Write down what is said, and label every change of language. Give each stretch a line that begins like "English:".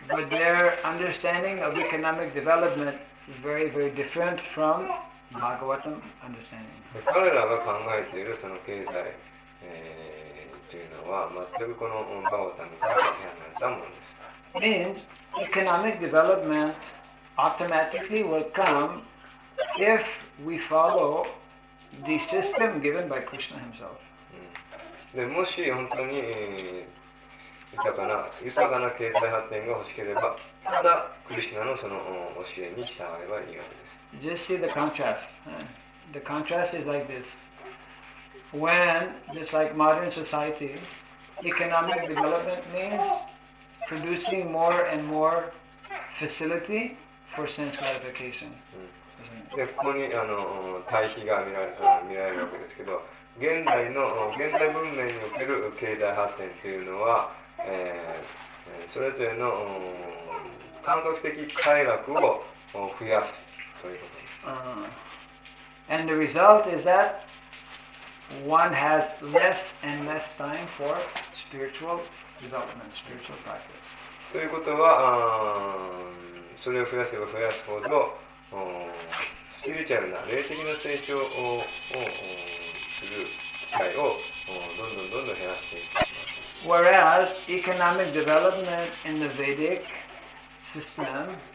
English: But their understanding of economic development is very, very different from Bhagavatam understanding.
Japanese: 彼らが考えているその経済、というのは全くこのバゴタムから離れたものです。
English: Means economic developmentAutomatically will come if we follow the system given by Krishna himself.
Japanese: でもし本当に豊かな経済発展が欲しければ、ただクリシナのその教えに従えばいいわけです。
English: Just see the contrast. The contrast is like this. When, just like modern society, economic development means producing more and more facility. For sense gratification.
Japanese: でここに対比が見られるわけですけど、現代文明における経済発展というのは、それぞれの感覚的快楽を増やすということです。
English: And the result is that one has less and less time for spiritual development, spiritual practice.
Japanese: ということは。それを増やせば増やすほど、スピリチュアルな霊的な成長をする機会をどんどん減らしていきます。
English: Whereas economic development in the Vedic system,